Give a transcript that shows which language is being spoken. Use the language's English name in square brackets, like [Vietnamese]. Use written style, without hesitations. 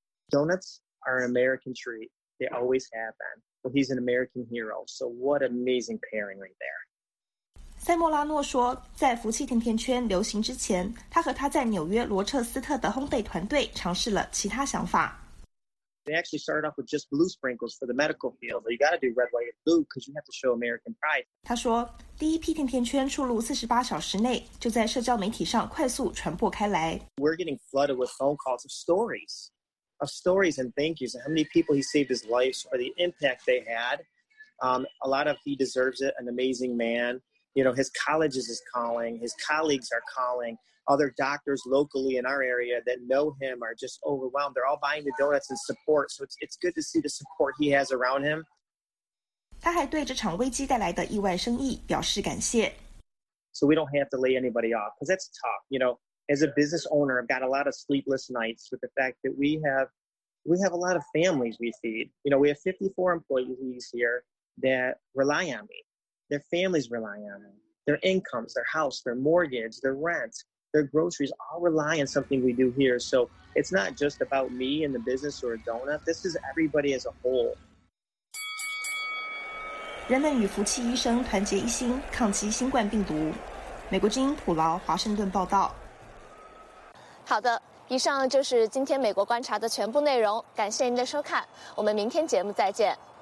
[English] Donuts are an American treat. They always have been. Well, he's an American hero. So what amazing pairing right there. [Chinese] 塞莫拉诺说，在福气甜甜圈流行之前，他和他在纽约罗彻斯特的烘焙团队尝试了其他想法。 [English] They actually started off with just blue sprinkles for the medical field. You got to do red, white, and blue because you have to show American pride. [Chinese] 他说，第一批甜甜圈出炉48小时内，就在社交媒体上快速传播开来。 [English] We're getting flooded with phone calls of stories and thank yous and how many people he saved his life or the impact they had. A lot of he deserves it, an amazing man. You know, his colleges is calling, his colleagues are calling. Other doctors locally in our area that know him are just overwhelmed. They're all buying the donuts and support. So it's good to see the support he has around him. [Chinese] 他还对这场危机带来的意外生意表示感谢。 [English] So we don't have to lay anybody off because that's tough. You know, as a business owner, I've got a lot of sleepless nights with the fact that we have a lot of families we feed. You know, we have 54 employees here that rely on me. Their families rely on me. Their incomes, their house, their mortgage, their rent. Their groceries all rely on something we do here. So it's not just about me and the business or a donut. This is everybody as a whole. [Chinese] 人们与福气医生团结一心，抗击新冠病毒。美国之音普劳华盛顿报道。好的，以上就是今天美国观察的全部内容。感谢您的收看，我们明天节目再见。